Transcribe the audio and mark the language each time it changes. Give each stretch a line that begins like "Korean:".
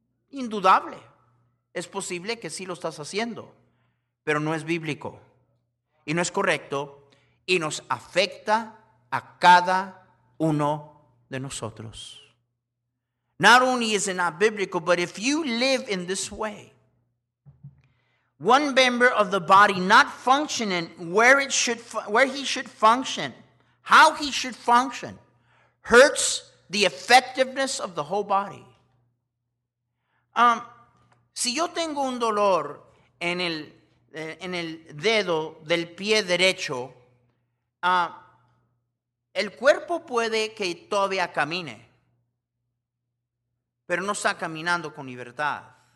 Spanish: Indudable. Es posible que sí lo estás haciendo. Pero no es bíblico. Y no es correcto. Y nos afecta a cada uno de nosotros.
English: Not only is it not biblical, but if you live in this way, one member of the body not functioning where it should, where he should function, how he should function, hurts the effectiveness of the whole body.
Spanish: Si yo tengo un dolor en el dedo del pie derecho, el cuerpo puede que todavía camine, pero no está caminando con libertad.